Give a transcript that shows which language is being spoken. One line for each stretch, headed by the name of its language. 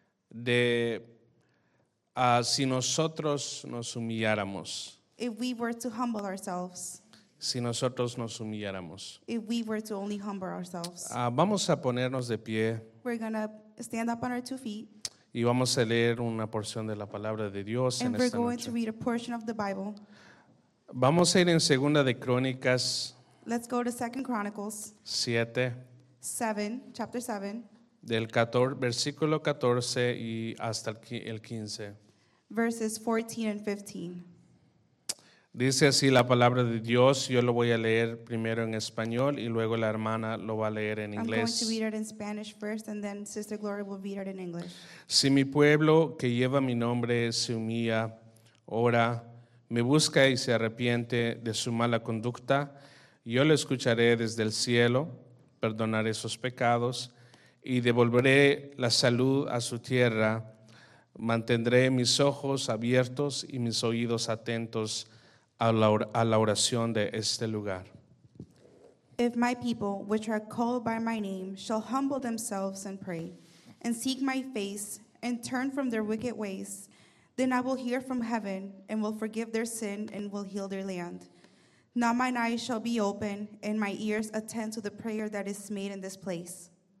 Spanish: De si nosotros nos humilláramos.
English: If we were to humble ourselves.
Spanish: Si nosotros nos humilláramos.
English: If we were to only humble ourselves.
Spanish: Vamos a ponernos de pie.
English: We're going to stand up on our two feet.
Spanish: Y vamos a leer una porción de la palabra de Dios en esta noche.
English: To read a portion of the Bible.
Spanish: Vamos a ir en Segunda de Crónicas.
English: Let's go to Second Chronicles. 7. Chapter 7.
Spanish: Del 14, versículo 14 y hasta el 15.
English: Verses 14 and 15.
Spanish: Dice así la palabra de Dios. Yo lo voy a leer primero en español y luego la hermana lo va a leer en inglés.
English: I'm going to read it in Spanish first and then Sister Gloria will read it in English.
Spanish: Si mi pueblo que lleva mi nombre se humilla, ora, me busca y se arrepiente de su mala conducta, yo le escucharé desde el cielo, perdonaré sus pecados y devolveré la salud a su tierra. Mantendré mis ojos abiertos y mis oídos atentos a la oración de este lugar.
English: If my people, which are called by my name, shall humble themselves and pray, and seek my face, and turn from their wicked ways, then I will hear from heaven, and will forgive their sin, and will heal their land. Now mine eyes shall be open, and my ears attend to the prayer that is made in this place.